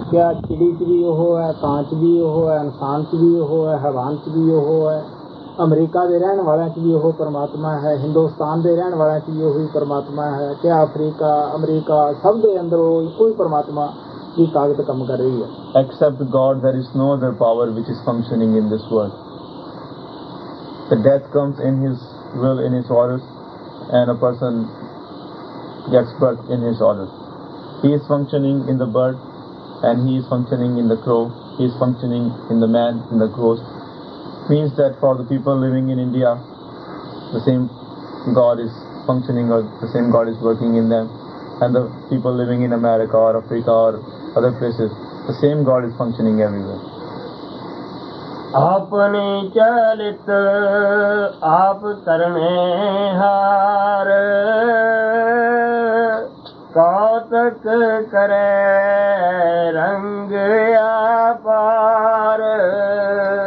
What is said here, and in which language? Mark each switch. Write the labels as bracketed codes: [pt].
[hi] क्या चिड़ी च भी यो है, कांच भी यो है, इंसान च भी यो है, हैवान च भी यो है, अमरीका के रहने वाले च भी यो परमात्मा है, हिंदुस्तान के रहने वाले च यो ही परमात्मा है, क्या अफ्रीका अमरीका सब के अंदर कोई परमात्मा की ताकत कम कर रही है. [en] Except God there is no other power which is functioning in this world. The death comes in his will, in his orders, and a person gets birth in his orders. He is functioning in the bird, and he is functioning in the crow, he is functioning in the man, in the ghost. Means that for the people living in India, the same God is functioning, or the same God is working in them. And the people living in America or Africa or other places, the same God is functioning everywhere. [pa] अपने चलित आप करने हार कौतक करे रंग आपार.